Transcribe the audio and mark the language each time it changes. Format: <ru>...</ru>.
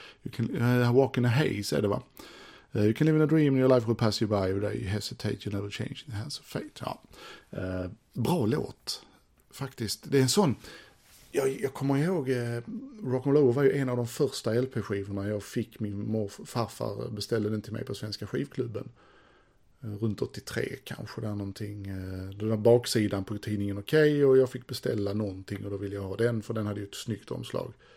<en>You can walk in a haze,</en> <sv>är det va?</sv> <en>You can live in a dream, your life will pass you by. Every day you hesitate, you never change in the hands of fate.</en> <sv>Ja. Bra låt, faktiskt. Det är en sån... Jag kommer ihåg, Rock'n'Roll Over var ju en av de första LP-skivorna jag fick. Min farfar beställde den till mig på Svenska Skivklubben. Runt 83 kanske, där någonting. Den där baksidan på tidningen Okej, och jag fick beställa någonting och då ville jag ha den, för den hade ju ett snyggt omslag.</sv>